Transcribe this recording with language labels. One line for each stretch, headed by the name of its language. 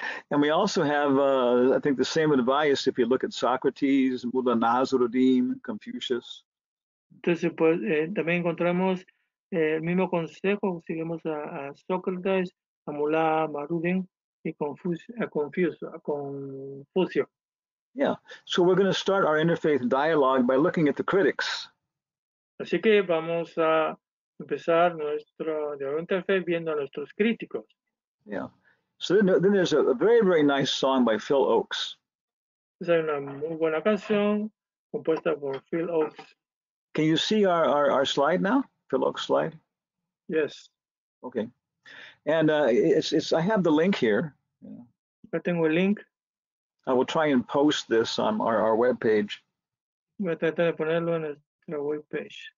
English: And we also have, I think, the same advice if you look at Socrates, Buddha Nasruddin, Confucius.
Spanish: Entonces, pues, también encontramos el mismo consejo, seguimos a Sócrates, Amulá, Marudin, y Confucio.
English: Yeah, so we're going to start our interfaith dialogue by looking at the critics.
Spanish: Así que vamos a empezar nuestro diálogo interfaith viendo a nuestros críticos.
English: Yeah, so then there's a very, very nice song by Phil Oakes.
Spanish: Es una muy buena canción compuesta por Phil Oakes.
English: Can you see our slide now? Phil Oakes' slide? Yes. Okay. And I have the link here.
Spanish: Yeah. I tengo el link.
English: I will try and post this on our webpage.
Spanish: Voy a tratar de ponerlo en nuestra webpage.